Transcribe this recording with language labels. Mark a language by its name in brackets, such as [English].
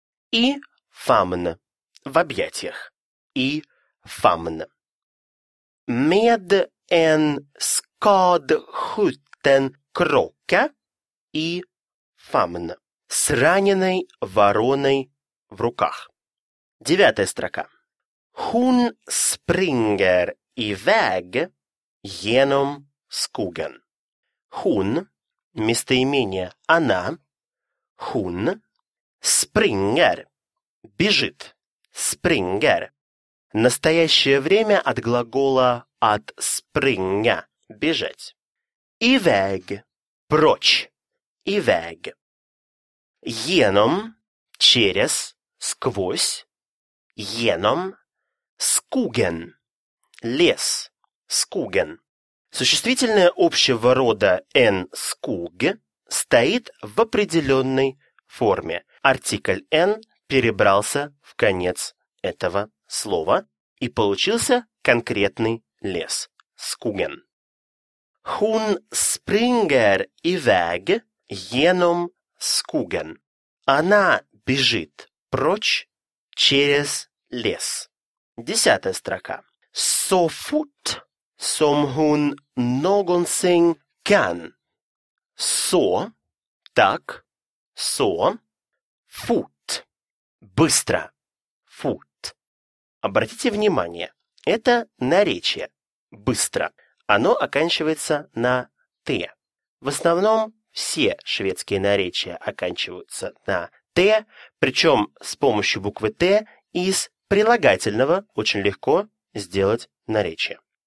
[Russian] И фамн – в объятиях. И фамн. [Swedish] Med en skadskjuten kråka и фамн – [Russian] с раненой вороной в руках. Девятая строка. [Swedish] Hon springer iväg genom skogen. [Russian] Hon – местоимение «она». [Swedish] Hon – springer. Бежит. Springer. [Russian] Настоящее время от глагола от springa. Бежать. Iväg. Прочь. Iväg. Genom, через, сквозь. [Swedish] Genom, skogen. Лес, skogen. [Russian] Существительное общего рода «en skog» стоит в определенной форме. Артикль «en» перебрался в конец этого слова и получился конкретный лес – «skogen». [Swedish] «Hun springer iväg genom skogen». [Russian] «Она бежит прочь через лес». Десятая строка. [Swedish] «So fort som hun någonsin kan». [Russian] «So» – так, «so», «fort» – быстро, «fort». Обратите внимание, это наречие «быстро». Оно оканчивается на «т». В основном все шведские наречия оканчиваются на «т», причем с помощью буквы «т» из прилагательного очень легко сделать наречие.